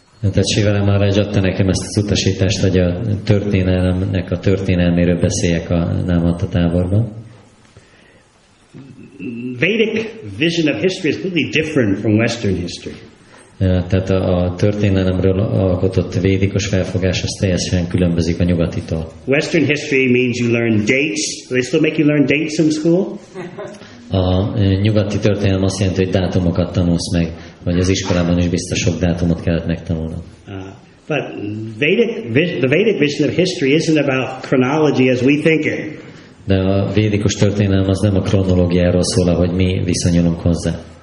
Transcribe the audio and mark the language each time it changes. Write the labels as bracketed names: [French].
[Hungarian] Tetszivel már egy adta nekem ezt az utasítást, hogy a történelemnek a történelméről beszéljek a Námatta táborban. [English] Vedic vision of history is completely different from Western history. [Hungarian] Tehát a történelemről alkotott védikus felfogás az teljesen különbözik a nyugatitól. [English] Western history means you learn dates. Do they still make you learn dates in school? [Hungarian] A nyugati történelem azt jelenti, hogy dátumokat tanulsz meg, vagy az iskolában is biztos sok dátumot kellett megtanulnod. [English] But the Vedic vision of history isn't about chronology as we think it. [Hungarian] De a védikus történelem az nem a kronológiáról szól, ahogy mi viszonyulunk hozzá.